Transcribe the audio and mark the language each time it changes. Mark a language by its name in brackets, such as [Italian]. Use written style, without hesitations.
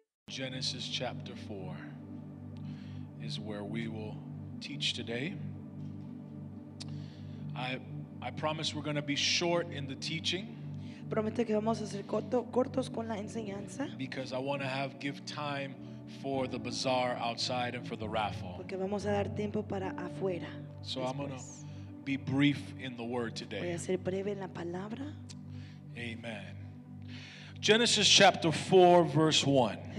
[English] Genesis chapter 4 is where we will teach today. I promise we're going to be short in the teaching. [Spanish] Prometo que vamos a ser cortos con la enseñanza. [English] Because I want to give time for the bazaar outside and for the raffle. [Spanish] Porque vamos a dar tiempo para afuera. [English] So I'm going to be brief in the word today. [Spanish] Voy a ser breve en la palabra. [English] Amen. Genesis chapter 4, verse 1.